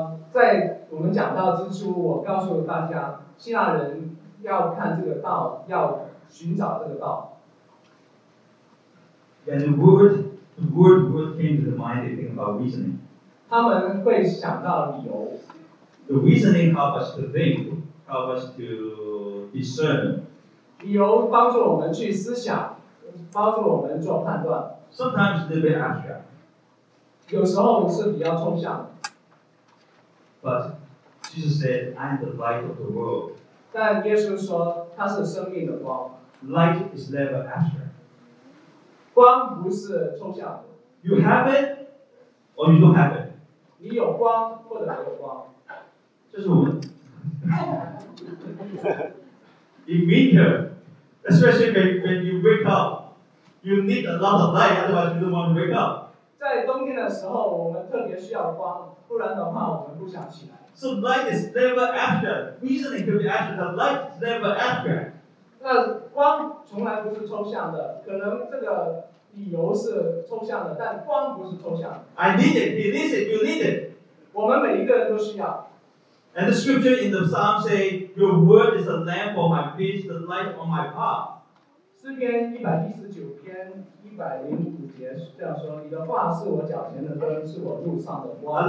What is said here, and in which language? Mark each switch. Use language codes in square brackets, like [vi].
[zh] 在我们讲到之初，我告诉大家，希腊人要看这个道，要寻找这个道。 [en] And the word came to the mind, they think about reasoning. [zh] 他们会想到理由。 [en] The reasoning helps us to think, helps us to discern. [zh] 理由帮助我们去思想。帮助我们做判断。 [en] Sometimes it's a bit abstract. [zh] 有时候是比较抽象的。 [en] But Jesus said, I am the light of the world. [zh] 但耶稣说他是生命的光。 [en] Light is never abstract. [zh] 光不是抽象的。 [en] You have it, or you don't have it. [zh] 你有光或者没有光。这是我们。 [en] In winter, especially when you wake up,You need a lot of light, otherwise you don't want to wake up. [zh] 在冬天的时候，我们特别需要光，不然的话我们不想起来。 [en] So light is never after. Reasoning can be after. The light is never after. [zh] 那光从来不是抽象的，可能这个理由是抽象的，但光不是抽象的。 [en] I need it. He needs it. You need it. [zh] 我们每一个人都需要。 [en] And the scripture in the Psalm say, Your word is a lamp for my feet, the light on my path. [zh] 诗篇一百一十九篇一百零五节这样说：“你的话是我脚前的灯，是我路上的光。”